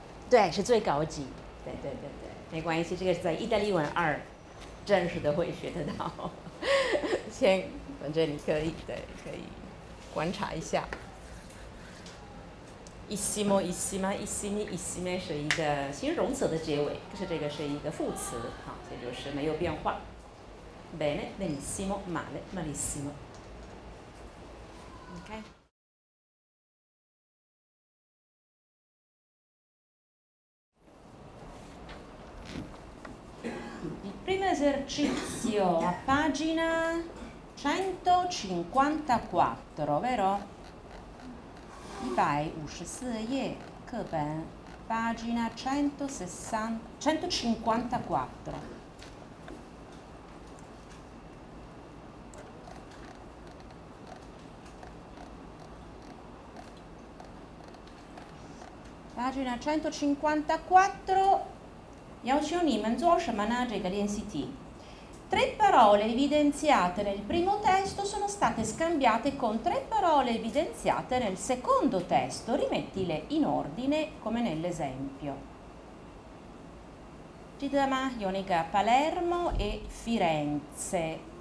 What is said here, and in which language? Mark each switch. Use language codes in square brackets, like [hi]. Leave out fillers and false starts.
[zh] 对，是最高级。对对对对，没关系，这个是在意大利文二正式的会学得到。先。反正你可以，对，可以观察一下。一西莫一西吗？一西尼一西咩是一个形容词的结尾，可是这个是一个副词，好，也就是没有变化。 [it] bene benissimo male malissimo。 [en] OK。 [it] Primo esercizio a pagina。 154， vero? [zh] 154页课本 ， [it] pagina 154。 pagina 154， [zh] 要求你们做什么呢？这个练习题。 [it] Tre parole evidenziate nel primo testo sono state scambiate con tre parole evidenziate nel secondo testo. Rimettile in ordine come nell'esempio. [zh] 记得吗？有那个 Palermo e Firenze。